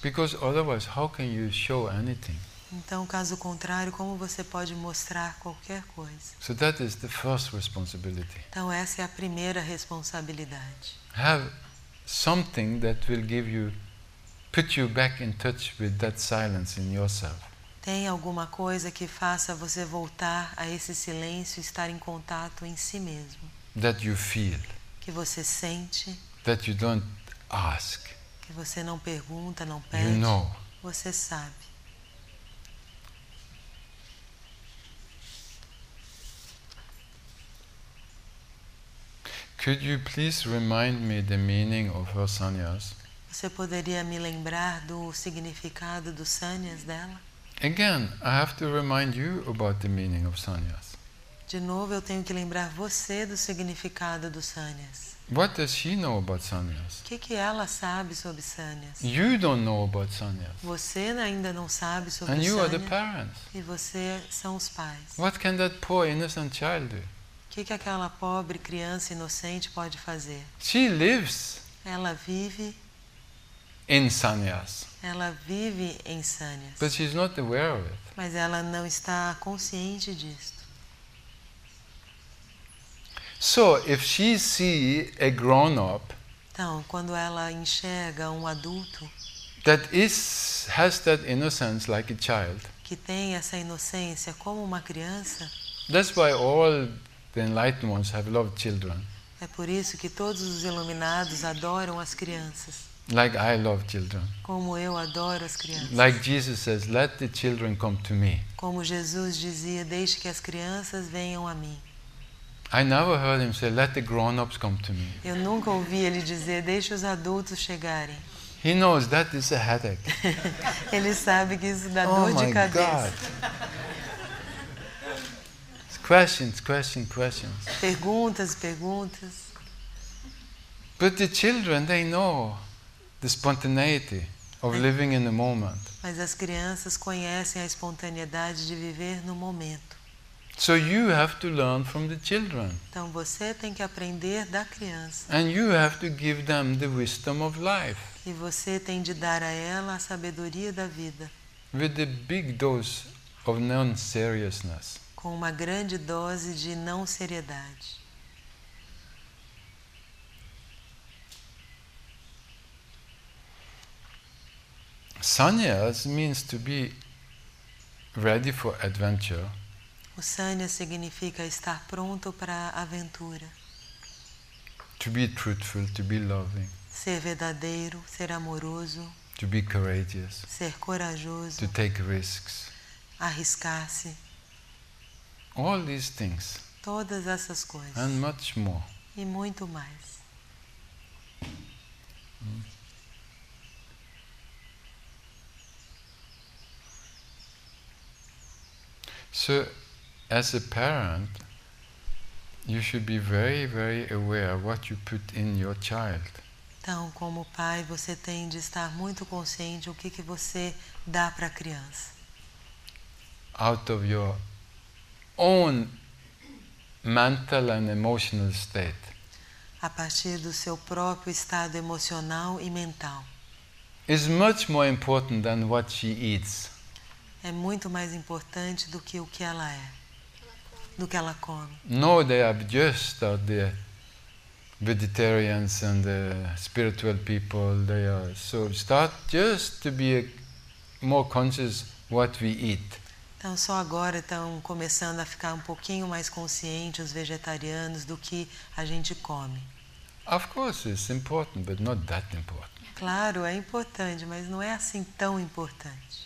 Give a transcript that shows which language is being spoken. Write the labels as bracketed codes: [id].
[en] Because otherwise, how can you show anything? [pt] Então, caso contrário, como você pode mostrar qualquer coisa? [en] So that is the first responsibility. [pt] Então, essa é a primeira responsabilidade. [en] Have something that will give you, put you back in touch with that silence in yourself. [pt] Tem alguma coisa que faça você voltar a esse silêncio, estar em contato em si mesmo? [en] That you feel. [pt] Que você sente. [en] That you don't ask. [pt] Que você não pergunta, não pede. [en] You know. [pt] Você sabe. [en] Could you please remind me the meaning of her sannyas? [pt] Você poderia me lembrar do significado do sannyas dela? [en] Again, I have to remind you about the meaning of sannyas. [pt] De novo, eu tenho que lembrar você do significado do sannyas. [en] What does she know about sannyas? [pt] Que ela sabe sobre sannyas? [en] You don't know about sannyas. [pt] Você ainda não sabe sobre [en] sannyas. And you are the parents. [pt] E você são os pais. [en] What can that poor innocent child do? [pt] O que aquela pobre criança inocente pode fazer? [en] She lives. [pt] Ela vive. [en] In sannyas. [pt] Ela vive em sannyas. [en] But she's not aware of it. [pt] Mas ela não está consciente disto. [en] So if she sees a grown-up. [pt] Então, quando ela enxerga um adulto. [en] That is has that innocence like a child. [pt] Que tem essa inocência como uma criança. [en] That's why all the enlightened ones have loved children. [pt] É por isso que todos os iluminados adoram as crianças. [en] Like I love children. [pt] Como eu adoro as crianças. [en] Like Jesus says, let the children come to me. [pt] Como Jesus dizia, deixe que as crianças venham a mim. [en] I never heard him say, let the grown-ups come to me. [pt] Eu nunca ouvi ele dizer, deixe os adultos chegarem. [en] He knows that is a headache. [pt] Ele sabe que isso dá oh dor de cabeça. [en] Oh my God. Questions, questions, questions. [pt] Perguntas, perguntas. [en] But the children, they know the spontaneity of living in the moment. [pt] Mas as crianças conhecem a espontaneidade de viver no momento. [en] So you have to learn from the children. [pt] Então você tem que aprender da criança. [en] And you have to give them the wisdom of life. [pt] E você tem de dar a ela a sabedoria da vida. [en] With a big dose of non-seriousness. [pt] Com uma grande dose de não seriedade. [en] Sannyas means to be ready for adventure. [pt] O sannyas significa estar pronto para a aventura. [en] To be truthful, to be loving. [pt] Ser verdadeiro, ser amoroso. [en] To be courageous. [pt] Ser corajoso. [en] To take risks. [pt] Arriscar-se. [en] All these things. [pt] Todas essas coisas. [en] And much more. [pt] E muito mais. [en] So, as a parent, you should be very, very aware of what you put in your child. [pt] Então, como pai, você tem de estar muito consciente o que você dá para a criança. [en] Out of your own mental and emotional state. [pt] A partir do seu próprio estado emocional e mental. [en] Is much more important than what she eats. [pt] É muito mais importante do que o que ela é. Do que ela come. [en] No, they have just the vegetarians and the spiritual people. They are so start just to be more conscious what we eat. [pt] Então, só agora estão começando a ficar um pouquinho mais conscientes os vegetarianos do que a gente come. [en] Of course, it's important, but not that important. [pt] Claro, é importante, mas não é assim tão importante.